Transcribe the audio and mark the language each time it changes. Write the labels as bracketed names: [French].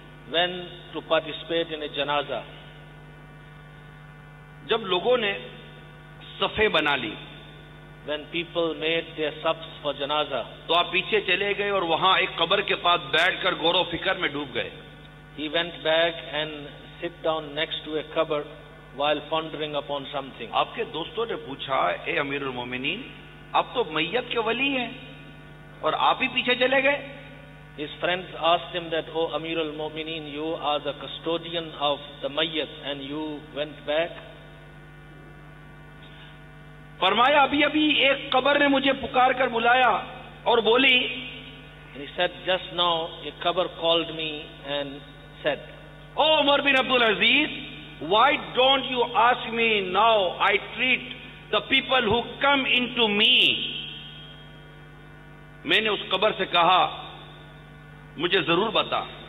[English] when to participate in a janaza [Urdu] جب لوگوں نے صفے بنا لی [English] when people made their صفs for janaza [Urdu] تو آپ پیچھے چلے گئے اور وہاں ایک قبر کے پاس بیٹھ کر غور و فکر میں ڈوب گئے [English] he went back and sit down next to a قبر while pondering upon something [Urdu] آپ کے دوستوں نے پوچھا اے امیر المومنین اب تو میت کے ولی ہیں اور آپ ہی پیچھے چلے گئے [English] His friends asked him that oh امیر المومنین you are the custodian of the میت and you went back [Urdu] فرمایا ابھی ایک قبر نے مجھے پکار کر بلایا اور بولی [English] And he said just now a قبر called me and said oh عمر بن عبدالعزیز why don't you ask me now I treat The people who come into me [Urdu] میں نے اس قبر سے کہا مجھے ضرور بتا